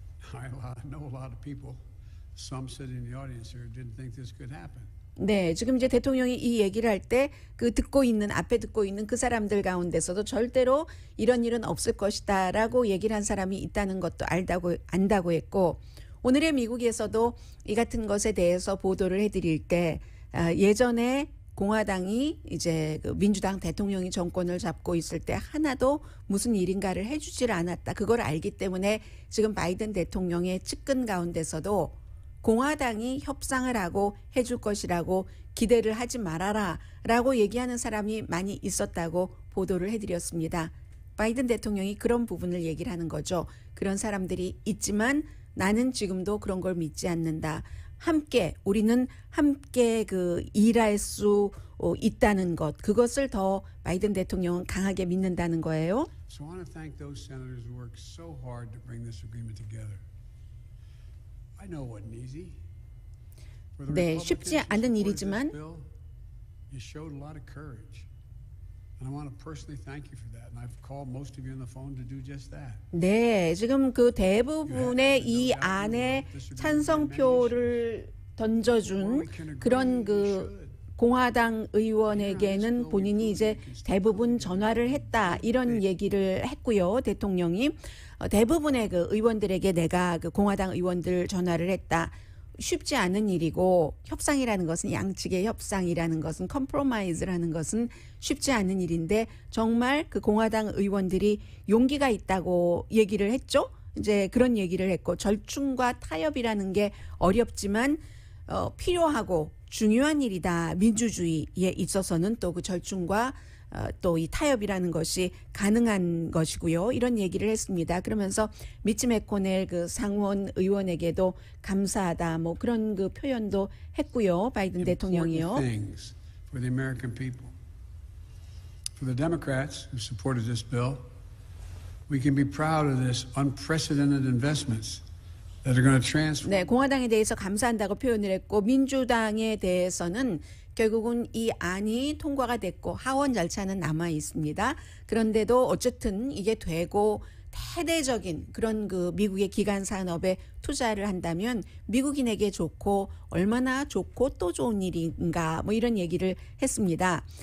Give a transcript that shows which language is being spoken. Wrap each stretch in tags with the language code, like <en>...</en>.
<en>I know a lot of people, some sitting in the audience here didn't think this could happen.</en> <ko>네, 지금 이제 대통령이 이 얘기를 할 때 그 듣고 있는 앞에 듣고 있는 그 사람들 가운데서도 절대로 이런 일은 없을 것이다라고 얘기를 한 사람이 있다는 것도 안다고 했고 오늘의 미국에서도 이 같은 것에 대해서 보도를 해드릴 때 예전에 공화당이 이제 그 민주당 대통령이 정권을 잡고 있을 때 하나도 무슨 일인가를 해주질 않았다. 그걸 알기 때문에 지금 바이든 대통령의 측근 가운데서도 공화당이 협상을 하고 해줄 것이라고 기대를 하지 말아라 라고 얘기하는 사람이 많이 있었다고 보도를 해드렸습니다. 바이든 대통령이 그런 부분을 얘기를 하는 거죠. 그런 사람들이 있지만 나는 지금도 그런 걸 믿지 않는다. 함께 우리는 함께 그 일할 수 있다는 것 그것을 더 바이든 대통령은 강하게 믿는다는 거예요.</ko> <en>So I want to thank those senators who worked so hard to bring this agreement together. I know it wasn't easy.</en> <ko>네, 쉽지 않은 일이지만</ko> <en>you showed a lot of courage. And I want to personally thank you for that. And I've called most of you on the phone to do just that.</en> <ko>네, 지금 그 대부분의 이 안에 찬성표를 던져준 그런 그 공화당 의원에게는 본인이 이제 대부분 전화를 했다 이런 얘기를 했고요. 대통령이 대부분의 그 의원들에게 내가 그 공화당 의원들 전화를 했다. 쉽지 않은 일이고 협상이라는 것은 양측의 협상이라는 것은 컴프로마이즈라는 것은 쉽지 않은 일인데 정말 그 공화당 의원들이 용기가 있다고 얘기를 했죠. 이제 그런 얘기를 했고 절충과 타협이라는 게 어렵지만 필요하고 중요한 일이다. 민주주의에 있어서는 또 그 절충과 또 이 타협이라는 것이 가능한 것이고요. 이런 얘기를 했습니다. 그러면서 미치 맥코넬 그 상원 의원에게도 감사하다. 뭐 그런 그 표현도 했고요. 바이든 대통령이요.</ko> <en>For the American people. For the Democrats who supported this bill, we can be proud of this unprecedented investments.</en> <ko>네, 공화당에 대해서 감사한다고 표현을 했고 민주당에 대해서는 결국은 이 안이 통과가 됐고 하원 절차는 남아 있습니다. 그런데도 어쨌든 이게 되고 대대적인 그런 그 미국의 기간 산업에 투자를 한다면 미국인에게 좋고 얼마나 좋고 또 좋은 일인가 뭐 이런 얘기를 했습니다.</ko>